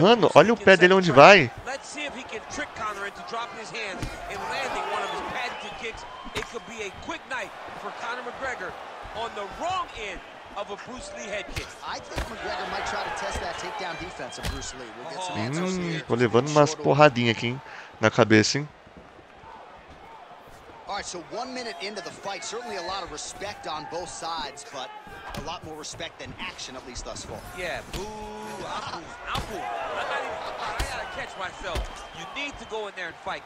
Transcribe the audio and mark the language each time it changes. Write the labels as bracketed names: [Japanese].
[Portuguese] Mano, olha o pé dele onde vai. [English] Let's see if he can trick Conor into dropping his hands and landing one of his patented kicks. It could be a quick night for Conor McGregor on the wrong end of a Bruce Lee head kick. I think McGregor might try to test that takedown defense of Bruce Lee. We'll get some answers. [Portuguese] Tô levando umas porradinha aqui, hein, na cabeça, hein? [English] Alright, so 1 minute into the fight, certainly a lot of respect on both sides, but a lot more respect than action, at least thus far. Yeah, boo, I gotta catch myself. You need to go in there and fight.